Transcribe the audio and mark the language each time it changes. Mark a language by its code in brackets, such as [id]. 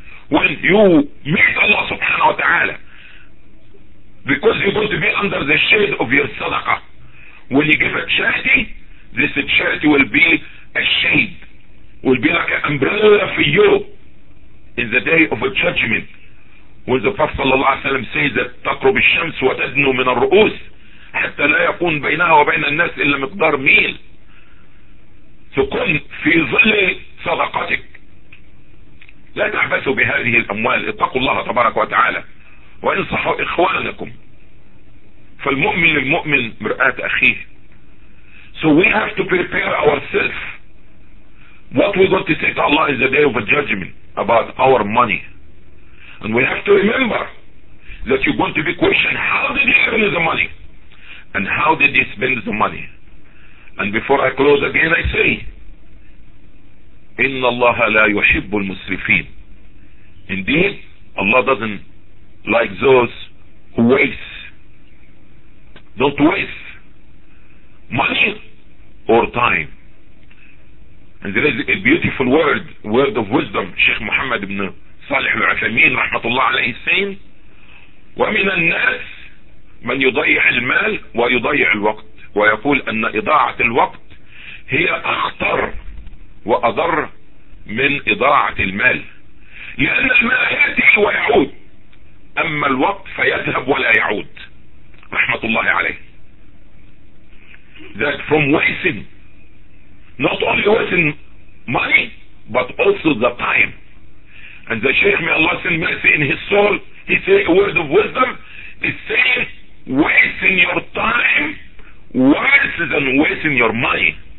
[en] When you meet Allah subhanahu wa ta'ala. Because you're going to be under the shade of your sadaqah. When you give a charity, this charity will be a shade. Will be like an umbrella for you in the day of judgment. When the Prophet sallallahu alayhi wa sallam says that [ar] تَقْرُبِ الشَّمْسُ وَتَدْنُ مِنَ الرُّؤُوسِ حَتَّى لَا يَكُونْ بَيْنَهَا وَبَيْنَ النَّاسِ إِلَّا مِقْدَارْ مِيلِ. So كُنْ فِي ظِلِّ صَدَقَتِكَ. لَا تَعْبَثُوا بِهَذِهِ الْأَمْوَالِ. اتَّقُوا اللَّهَ تَبَارَكَ وَتَعَالَى وَانْصَحُوا إِخْوَانَكُمْ. فالمؤمن للمؤمن مرآة أخيه. [en] So we have to prepare ourselves. What we going to say to Allah in the day of judgment about our money. And we have to remember that you're going to be questioned, how did he earn the money? And how did he spend the money? And before I close again, I say, [ar] إِنَّ اللَّهَ لَا يُحِبُّ الْمُسْرِفِينَ. [en] Indeed, Allah doesn't like those who waste. Don't waste money or time. And there is a beautiful word of wisdom, Sheikh Muhammad ibn صالح العثمين [ar] رحمة الله عليه السين. ومن الناس من يضيع المال ويضيع الوقت ويقول أن إضاعة الوقت هي أخطر وأضر من إضاعة المال لأن المال يأتي ويعود أما الوقت فيذهب ولا يعود رحمة الله عليه. [en] That from wasting not only wasting money but also the time. And the Shaykh, may Allah send mercy in his soul, he said a word of wisdom, is saying, wasting your time worse than wasting your money.